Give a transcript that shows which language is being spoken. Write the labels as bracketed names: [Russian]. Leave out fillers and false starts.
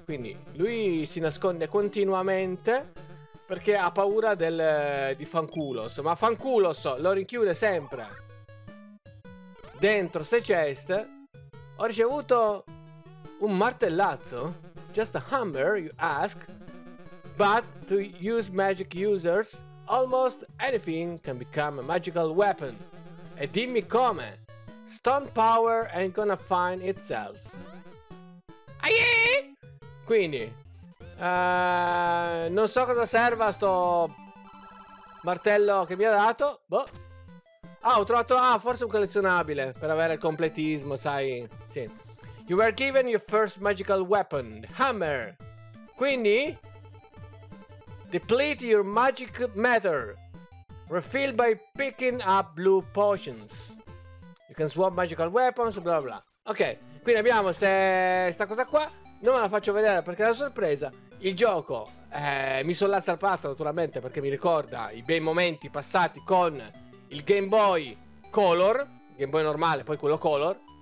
[Italian] Quindi, lui si nasconde continuamente perché ha paura di Fanculos. Ma Fanculos lo rinchiude sempre dentro ste chest. Ho ricevuto un martellazzo. [English] Just a hammer, you ask. But to use magic users, almost anything can become a magical weapon. [Italian] E dimmi come. [English] Stone power ain't gonna find itself. Aie! [Italian] Quindi, non so cosa serva sto martello che mi ha dato. Boh. Ah, ho trovato. Ah, forse un collezionabile. Per avere il completismo, sai. Sì. [English] You were given your first magical weapon, hammer. Quindi, deplete your magic matter. Refill by picking up blue potions. You can swap magical weapons, bla bla. [Italian] Ok, quindi abbiamo sta cosa qua. Non me la faccio vedere perché è una sorpresa. Il gioco mi sollazza al palato naturalmente, perché mi ricorda i bei momenti passati con il Game Boy Color, Game Boy normale, poi quello Color.